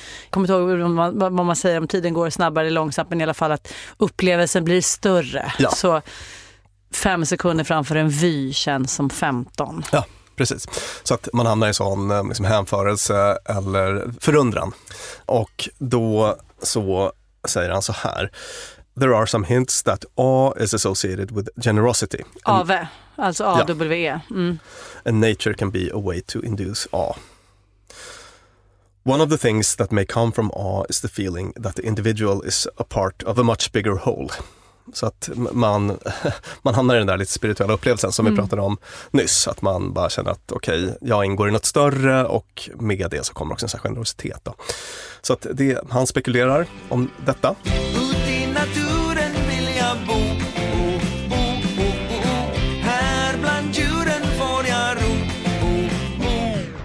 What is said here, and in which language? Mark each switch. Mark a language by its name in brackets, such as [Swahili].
[Swedish] Kommer ihåg vad man säger om tiden går snabbare eller långsamt, men i alla fall att upplevelsen blir större. Ja. Så 5 sekunder framför en vy känns som 15. Ja, precis. Så att man hamnar i sån liksom hänförelse eller förundran. Och då så säger han så här. [English] There are some hints that awe is associated with generosity. [Swedish] Awe, alltså A-W-E. Ja. [English] And nature can be a way to induce awe. One of the things that may come from awe is the feeling that the individual is a part of a much bigger whole. [Swedish] Så att man hamnar i den där lite spirituella upplevelsen som vi pratade om nyss. Att man bara känner att okej, jag ingår i något större, och med det så kommer också en generositet. Då. Så att han spekulerar om detta. Ut i naturen vill jag bo, här bland djuren får jag ro.